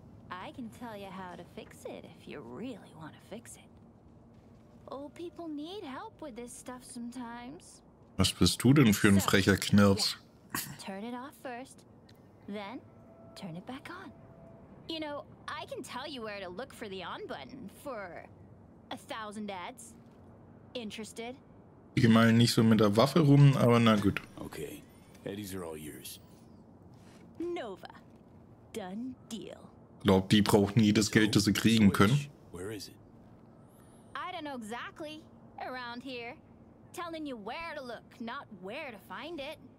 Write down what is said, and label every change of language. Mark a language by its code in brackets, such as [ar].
[en] I can tell you how to fix it if you really want to fix it. Old people need help with this stuff sometimes. [de] Was bist du denn für ein frecher Knirps? [en] Yeah. Turn it off first, then turn it back on. You know, I can tell you where to look for the on button for 1000 ads. Interested? [de] Ich meine nicht so mit der Waffe rum, aber na gut. [en] Okay. Eddies are all yours. Nova. Done deal. [de] Glaub, die brauchen jedes Geld, das sie kriegen können. [en] Where is it? I don't know exactly. Around here. Telling you where to look, not where to find it.